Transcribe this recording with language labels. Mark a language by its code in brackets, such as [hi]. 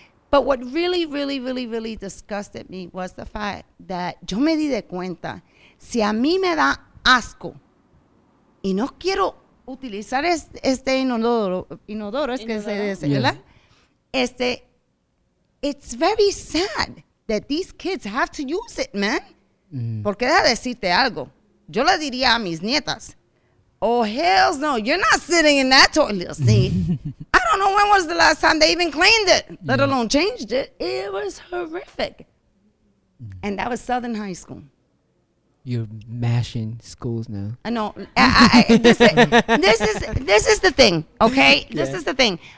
[en] But what really, really, really, really disgusted me was the fact that [es] yo me di de cuenta, si a mí me da asco y no quiero utilizar este inodoro, es que se dice, ¿verdad? [en] Este, it's very sad that these kids have to use it, man. [es] Porque deja decirte algo. Yo le diría a mis nietas, [en] oh, hells no. You're not sitting in that toilet seat. I don't know when was the last time they even cleaned it, let alone changed it. It was horrific. And that was Southern High School. You're mashing schools now. I know. This is the thing, okay? Yeah. This is the thing.